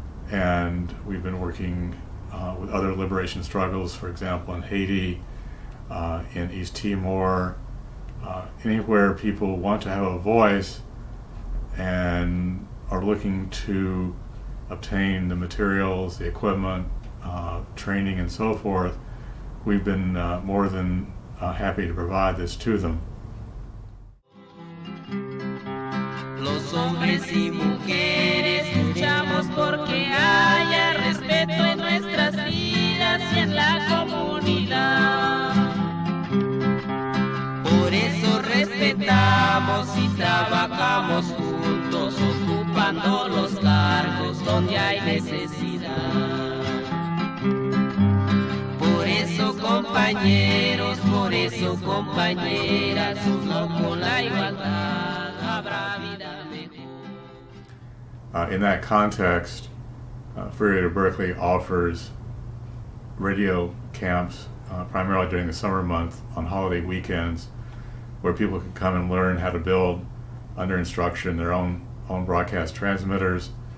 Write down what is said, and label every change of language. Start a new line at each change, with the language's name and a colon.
English: And we've been working with other liberation struggles, for example, in Haiti, in East Timor, anywhere people want to have a voice and are looking to obtain the materials, the equipment, training, and so forth. We've been more than happy to provide this to them.
Spanish: Los hombres y mujeres luchamos porque haya respeto en nuestras vidas y en la comunidad. Por eso respetamos y trabajamos juntos, ocupando los cargos donde hay necesidad. Por eso compañeros, por eso compañeras, uno con la igualdad habrá vida.
English: In that context, Free Radio Berkeley offers radio camps primarily during the summer month on holiday weekends, where people can come and learn how to build under instruction their own broadcast transmitters.